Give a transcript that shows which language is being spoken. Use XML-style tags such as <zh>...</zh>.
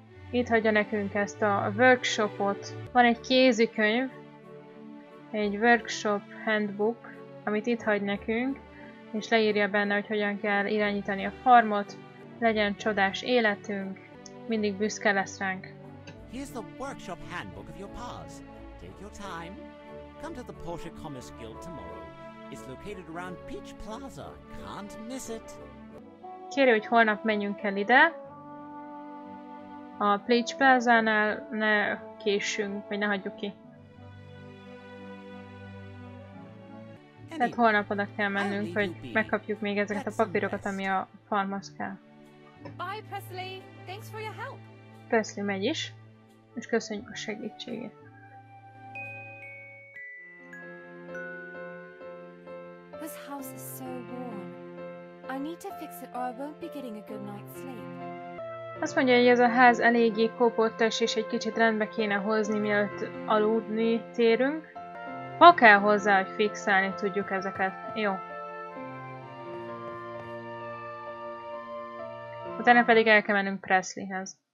<hu>Itt hagyja nekünk ezt a workshopot. Van egy kézikönyv, egy workshop handbook, amit itt hagy nekünk, és leírja benne, hogy hogyan kell irányítani a farmot. Legyen csodás életünk, mindig büszke lesz ránk.</hu> <en>Here's the workshop handbook of your paws. Take your time. Come to the Porsche Commerce Guild tomorrow. It's located around Peach Plaza. Can't miss it.</en> <hu>Kérj, hogy holnap menjünk el ide. A Peach Plaza-nál ne késünk, vagy ne hagyjuk ki. Tehát holnap oda kell mennünk, hogy megkapjuk még ezeket a papírokat, ami a farmhoz kell.</hu> <en>Bye, Presley! Thanks for your help!</en> <hu>Presley megy is. És köszönjük a segítségét.</hu> <en>This house is so worn. I need to fix it or I won't be getting a good night's sleep.</en> <hu>Azt mondja, hogy ez a ház eléggé kopottas, és egy kicsit rendbe kéne hozni, mielőtt aludni térünk. Ha kell hozzá, hogy fixálni tudjuk ezeket. Jó. Utána pedig el kell mennünk Presleyhez.</hu>